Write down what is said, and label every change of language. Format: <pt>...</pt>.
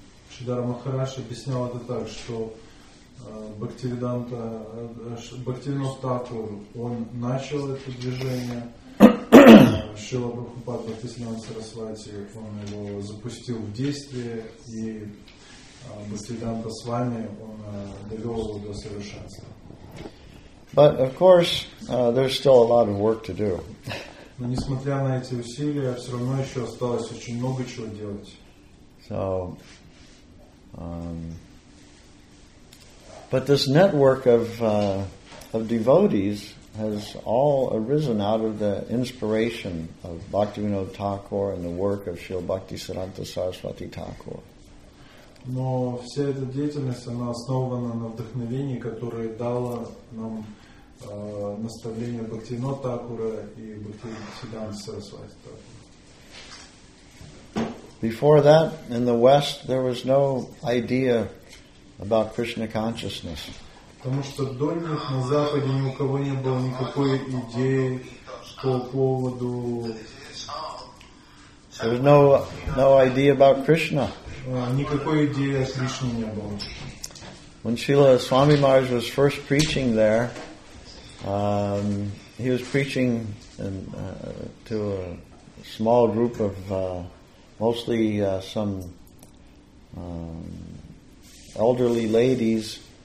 <ru>Sridhara Maharaj объяснял это так, что Bhaktivinoda Thakur, он начал это движение, Шрила Прабхупада Бхактисиддханта Сарасвати, он его запустил в действие, и Бхактисиддханта Свами, он довел его до совершенства.</ru> <en>But of course, there's still a lot of work to do.</en> <ru>Но несмотря на эти усилия, все равно еще осталось очень много чего делать.</ru> <en>So, but this network of devotees has all arisen out of the inspiration of Bhaktivinoda Thakur and the work of Srila Bhaktisiddhanta Saraswati Thakur.</en> <ru>Но вся эта деятельность, она основана на вдохновении, которое дало нам наставление Бхактивинода Такура и Бхактисиддханта Сарасвати Такура.</ru> <en>Before that, in the West, there was no idea about Krishna consciousness.</en> <ru>Потому что до них на Западе ни у кого не было никакой идеи по поводу.</ru> <en>There was no idea about Krishna.</en> <ru>Никакой идеи о Кришне не было.</ru> <en>When Srila Swami Maharaj was first preaching there, he was preaching to a small group of mostly some elderly ladies.</en>